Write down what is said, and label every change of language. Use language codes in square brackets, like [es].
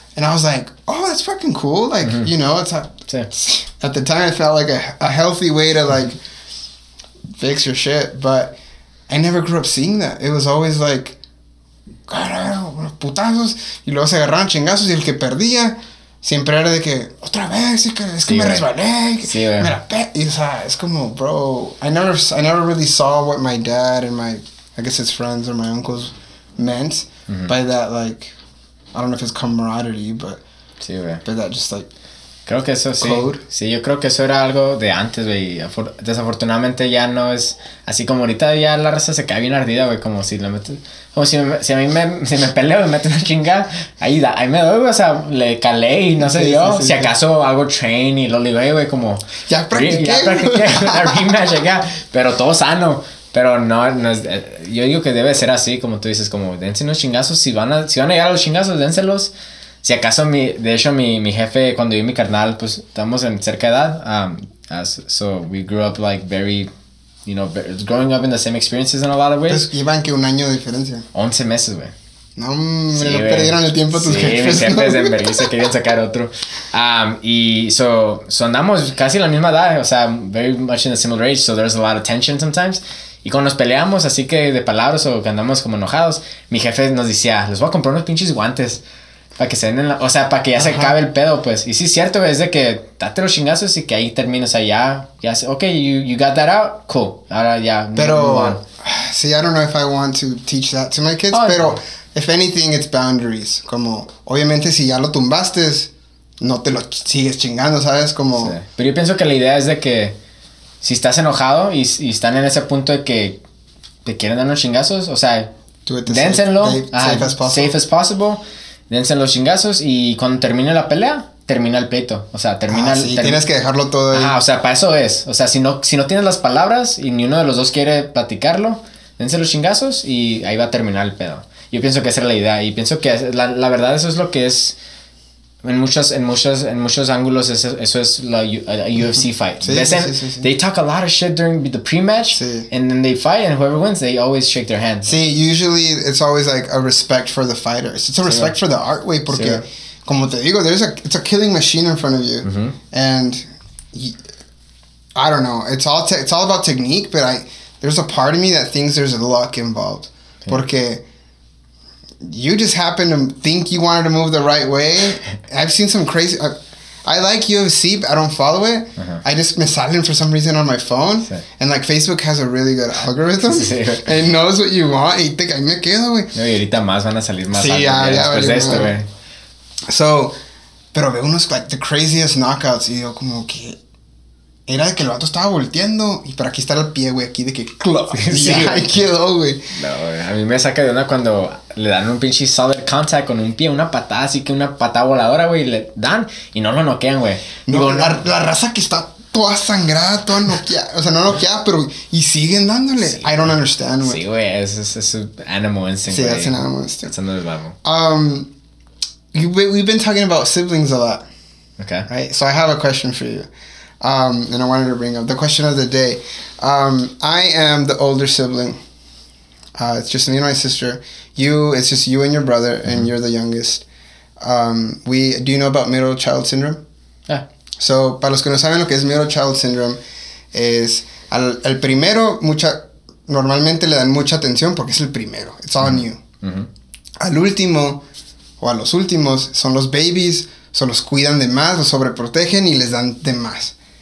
[en] And I was like, oh, that's fucking cool, like, you know, it's a, at the time it felt like a healthy way to, like, fix your shit, but I never grew up seeing that. [es] It was always like, carajo, unos putazos, y luego se agarraron chingazos, y el que perdía... Siempre era de que, otra vez, es que me resbalé, me la pe... Y, o sea, es como, [en] bro, I never really saw what my dad and my, I guess his friends or my uncles meant by that, like, I don't know if it's camaraderie, but... [es] Sí, güey. [en] But that just, like, [es] creo que eso, [en] code. [es] Sí, yo creo que eso era algo de antes, güey. Desafortunadamente ya no es... Así como ahorita ya la raza se cae bien ardida, güey, como si le metes... Como si a mí me peleo, me meten una chinga, ahí me doy, o sea, le calé y no sé, yo, si acaso hago train y lo digo, güey, como... Ya practiqué, la rematch acá, pero todo sano, pero no es, yo digo que debe ser así, como tú dices, como dense unos chingazos, si van a llegar a los chingazos, dénselos, si acaso de hecho mi jefe, cuando yo y mi carnal, pues, estamos en cerca de edad, [en] so we grew up, like, very... You know, growing up in the same experiences in a lot of ways. [es] Entonces, ¿iban qué, un año de diferencia? 11 meses, güey. No, hombre, sí, no perdieron el tiempo tus jefes. Sí, mis jefes en Belice querían sacar otro. Y andamos casi la misma edad, o sea, [en] very much in a similar age, so there's a lot of tension sometimes. [es] Y cuando nos peleamos, así que de palabras o que andamos como enojados, mi jefe nos decía, les voy a comprar unos pinches guantes. Para que se den en la... O sea, para que ya se acabe el pedo, pues. Y sí, es cierto, es de que... Date los chingazos y que ahí termina. O sea, ya... [en] Ok, you got that out. Cool. [es] Ahora ya... Pero... [en] See, I don't know if I want to teach that to my kids. Oh, [es] pero... [en] Okay. If anything, it's boundaries. [es] Como... Obviamente, si ya lo tumbaste... No te lo sigues chingando, ¿sabes? Como... Sí. Pero yo pienso que la idea es de que... Si estás enojado y están en ese punto de que... Te quieren dar unos chingazos. O sea... Dénsenlo. [en] Safe as possible. [es] Dense los chingazos y cuando termine la pelea, termina el pleito. O sea, termina tienes que dejarlo todo ahí. O sea, para eso es. O sea, si no tienes las palabras y ni uno de los dos quiere platicarlo, dense los chingazos y ahí va a terminar el pedo. Yo pienso que esa era la idea y pienso que la verdad eso es lo que es en muchos ángulos, eso es la UFC fight. Sí, [en] they talk a lot of shit during the pre-match and then they fight and whoever wins, they always shake their hands. Sí, usually it's always like a respect for the fighters. It's a respect for the art way [es] porque, como te digo, [en] it's a killing machine in front of you. And I don't know, it's all about technique, but there's a part of me that thinks there's luck involved. [es] Sí. Porque... [en] You just happen to think you wanted to move the right way. I've seen some crazy... I like UFC, but I don't follow it. I just [es] me salen [en] for some reason on my phone. Sí. And like Facebook has a really good algorithm. [es] Sí. [en] And knows what you want. [es] Y te cae, me quedo, güey. No, y ahorita más van a salir más sí, alto ya, después de ya, esto, güey. [en] So, [es] pero veo unos [en] like the craziest knockouts. [es] Y yo como que... era de que el vato estaba volteando y para aquí estar al pie, güey, aquí de que clop, sí, ya, ahí quedó, güey. No, güey, a mí me saca de una cuando le dan un pinche [en] solid contact [es] con un pie, una patada, así que una patada voladora, güey, le dan y no lo noquean, güey. Digo, no, la raza que está toda sangrada, toda noqueada, o sea, no noqueada, pero y siguen dándole. Sí, [en] I don't understand, [es] güey. Sí, güey, es un [en] animal instinct, [es] sí, güey. Sí, es un [en] animal instinct. [es] Es [en] another level. We've been talking about siblings a lot. Okay. Right? So I have a question for you. And I wanted to bring up the question of the day. I am the older sibling. It's just me and my sister. It's just you and your brother, mm-hmm. and you're the youngest. Do you know about middle child syndrome? Yeah. [es] So, para los que no saben lo que es middle child syndrome, es al primero, normalmente le dan mucha atención porque es el primero. [en] It's all new. Mm-hmm. [es] Al último, o a los últimos, son los babies, son los cuidan de más, los sobreprotegen y les dan de más.